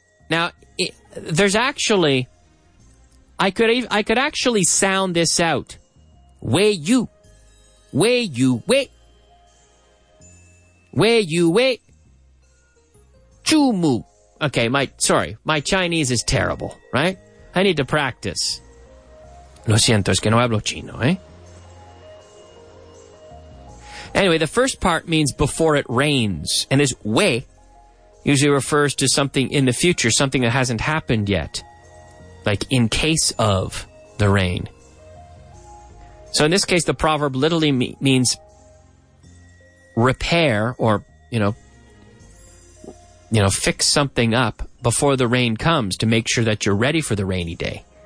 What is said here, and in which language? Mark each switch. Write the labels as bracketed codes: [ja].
[en] Now, there's actually, I could actually sound this out. Way you. Way you wait. Way you wait. Chumu. Okay, my Chinese is terrible, right? I need to practice. [es] Lo siento, es que no hablo chino, eh? [en] Anyway, the first part means before it rains. And this wei usually refers to something in the future, something that hasn't happened yet. Like in case of the rain. So in this case, the proverb literally means repair or, you know, fix something up before the rain comes to make sure that you're ready for the rainy day.